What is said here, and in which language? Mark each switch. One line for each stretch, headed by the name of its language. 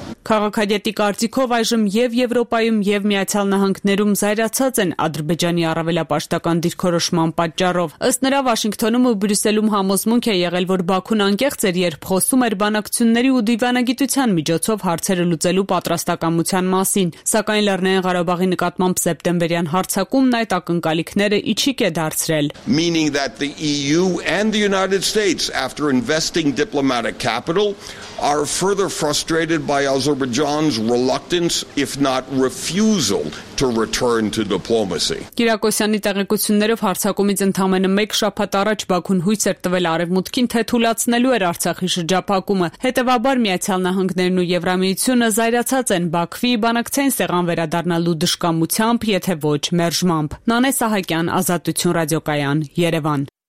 Armenian: Քաղաքագետի կարծիքով այժմ եւ Եվրոպայում եւ Միացյալ Նահանգներում զայրացած են Ադրբեջանի առավելապաշտական դիրքորոշման պատճառով։ Ըստ նրա, Վաշինգտոնում ու Բրյուսելում համոզմունք է եղել, որ Բաքուն անկեղծ էր, երբ խոսում էր բանակցությունների ու դիվանագիտության միջոցով հարցերը լուծելու պատրաստակամության մասին, սակայն Լեռնային Ղարաբաղի նկատմամբ սեպտեմբերյան հարցակումն այդ ակնկալիքները իջիկ է դարձրել։
English: Are further frustrated by Azerbaijan's reluctance, if not refusal, to return to diplomacy.
Armenian: Կիրակոսյանի տեղեկություններով հարցակումից ընդամենը մեկ շաբաթ առաջ Բաքուն հույս էր տվել Արևմուտքին, թե թուլացնելու էր Արցախի շրջափակումը։ Հետևաբար Միացյալ Նահանգներն ու Եվրամիությունը զայրացած են Բաքվի բանակցային սեղան վերադառնալու դժկամությամբ, եթե ոչ մերժմամբ։ Նանե Սահակյան, Ազատություն ռադիոկայան, Երևան։